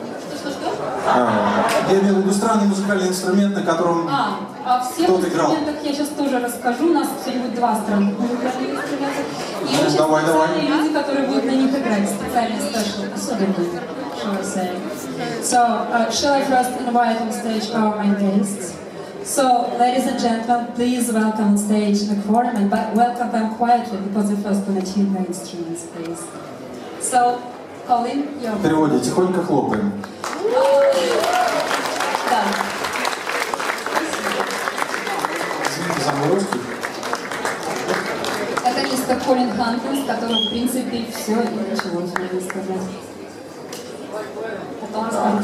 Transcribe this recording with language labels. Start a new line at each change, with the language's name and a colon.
Russian: Что-что-что? Я имею в виду странный музыкальный инструмент, на котором кто-то играл. О всех инструментах я сейчас тоже расскажу. У нас сегодня два странных музыкальных инструмента. Ну, давай, давай. Специальные люди, которые будут на них играть, специальные старшие, особенно.
English: Shall I first invite on stage our main guests? So, ladies and gentlemen, please welcome on stage the Quarrymen, but welcome them quietly because they're first going to tune the instruments, please. So, Colin, you're...
Russian: Переводи, тихонько хлопаем. Да. Извините за мой русский. Это мистер Колин Хантинс, который, в принципе, все и ничего не могу сказать.